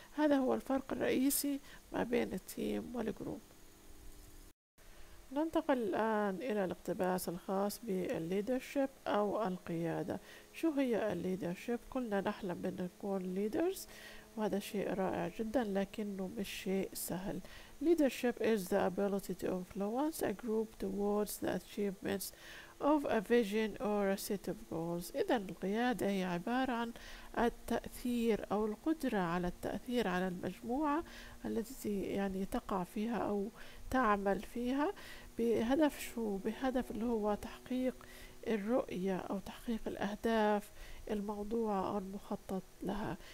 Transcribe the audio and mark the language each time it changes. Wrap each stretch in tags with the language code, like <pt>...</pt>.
<ar>هذا هو الفرق الرئيسي ما بين التيم والجروب. ننتقل الآن إلى الاقتباس الخاص بالليدرشيب أو القيادة. شو هي الليدرشيب؟ كلنا نحلم بأن نكون ليدرز، وهذا شيء رائع جدا لكنه مش شيء سهل.</ar> <en>Leadership is the ability to influence a group towards the achievements of a vision or a set of goals.</en> <ar>إذا القيادة هي عبارة عن التأثير أو القدرة على التأثير على المجموعة التي يعني تقع فيها أو تعمل فيها بهدف شو؟ بهدف اللي هو تحقيق الرؤية أو تحقيق الأهداف الموضوع أو المخطط لها.</ar>